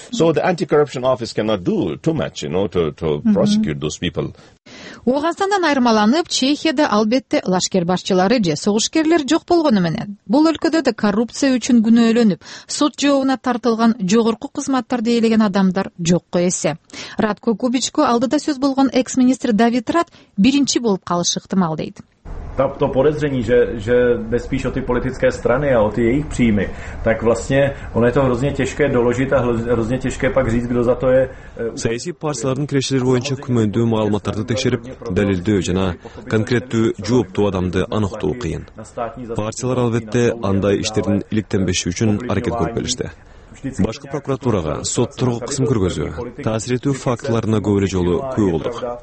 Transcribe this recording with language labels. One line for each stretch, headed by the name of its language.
English: So the anti-corruption office cannot do too much in order to prosecute those people.
Kyrgyz: Оғазандан айырмаланып, Чехияда албетте лашкер башчылары же согушкерлер жок болгону менен, бул өлкөдө да коррупция үчүн күнөөлөнүп, сот жообуна тартылган жогорку кызматтарды ээлеген адамдар жокко эсе. Радко Кубичко алдыда сөз болгон экс-министр Давид Рад биринчи болуп калышы ыктымал дейт.
Czech: To podezření, že jde spíš o ty politické strany a o ty jejich příjmy, tak vlastně ono je to hrozně těžké doložit a hrozně těžké pak říct, kdo za to je.
Kyrgyz: Саяси партиялардын кирешелер боюнча күмөндүү маалыматтарды текшерип, далилдөө жана конкреттүү жооптуу адамды аныктоо кыйын. Партиялар албетте андай иштердин иликтенбеши үчүн аракет көрүп келишти. Башкы прокуратурага, соттору кысым көргөзүү, таасир этүү фактыларына көп эле жолу күбө болдук.